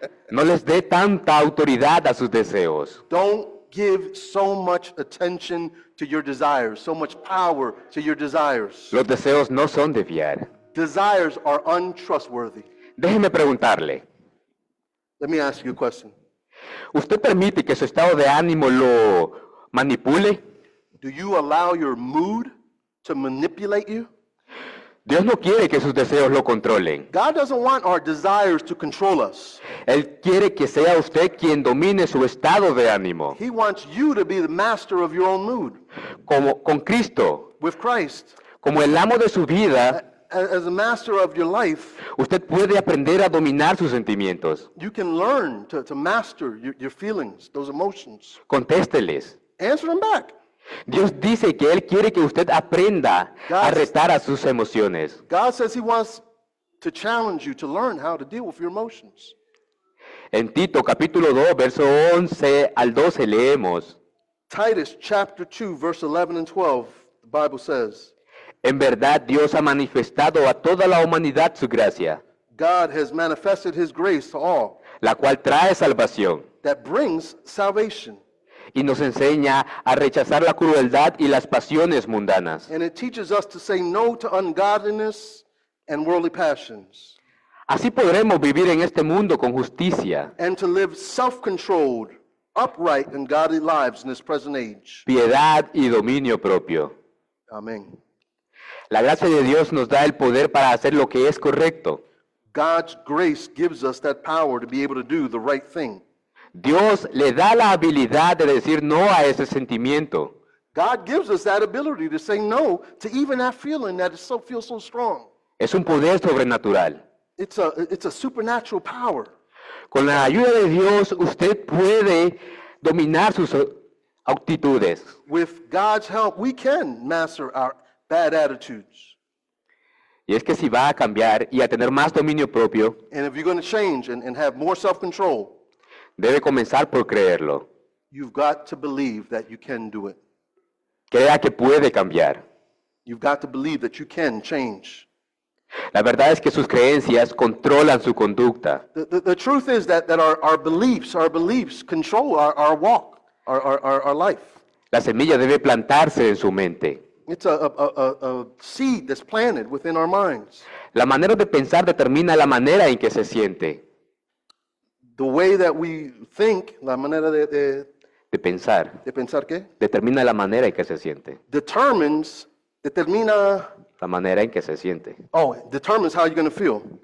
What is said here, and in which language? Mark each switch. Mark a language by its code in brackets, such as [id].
[es] No les dé tanta autoridad a sus deseos. [en] Don't give so much attention to your desires, so much power to your desires. [es] Los deseos no son de fiar. [en] Desires are untrustworthy. [es] Déjeme preguntarle. [en] Let me ask you a question. [es] ¿Usted permite que su estado de ánimo lo manipule? [en] Do you allow your mood to manipulate you? [es] Dios no quiere que sus deseos lo controlen. [en] God doesn't want our desires to control us. [es] Él quiere que sea usted quien domine su estado de ánimo. [en] He wants you to be the master of your own mood. [es] Como con Cristo. [en] With Christ. [es] Como el amo de su vida. [en] As a master of your life. [es] Usted puede aprender a dominar sus sentimientos. [en] You can learn to master your feelings, those emotions. [es] Contésteles. [en] Answer them back. [es] Dios dice que Él quiere que usted aprenda a retar a sus emociones. [en] God says He wants to challenge you to learn how to deal with your emotions. [es] En Tito capítulo 2, verso 11 al 12 leemos. [en] Titus chapter 2, verse 11 and 12, the Bible says. [es] En verdad Dios ha manifestado a toda la humanidad su gracia. [en] God has manifested His grace to all. [es] La cual trae salvación. [en] That brings salvation. [es] Y nos enseña a rechazar la crueldad y las pasiones mundanas. [en] And it teaches us to say no to ungodliness and worldly passions. [es] Así podremos vivir en este mundo con justicia. [en] And to live self-controlled, upright and godly lives in this present age. [es] Piedad y dominio propio. Amén. La gracia de Dios nos da el poder para hacer lo que es correcto. [en] God's grace gives us that power to be able to do the right thing. [es] Dios le da la habilidad de decir no a ese sentimiento. [en] God gives us that ability to say no to even that feeling that feels so strong. [es] Es un poder sobrenatural. [en] It's a supernatural power. [es] Con la ayuda de Dios, usted puede dominar sus actitudes. [en] With God's help, we can master our bad attitudes. [es] Y es que si va a cambiar y a tener más dominio propio, [en] and if you're going to change and have more self-control, [es] debe comenzar por creerlo. [en] You've got to believe that you can do it. [es] Crea que puede cambiar. [en] You've got to believe that you can change. [es] La verdad es que sus creencias controlan su conducta. [en] The truth is that our beliefs control our walk, our life. [es] La semilla debe plantarse en su mente. [en] It's a seed that's planted within our minds. [es] La manera de pensar determina la manera en que se siente. [en] The way that we think, [es] la manera de pensar. ¿De pensar qué? Determina la manera en que se siente. Determina la manera en que se siente. [en] Oh, determines how you're going to feel.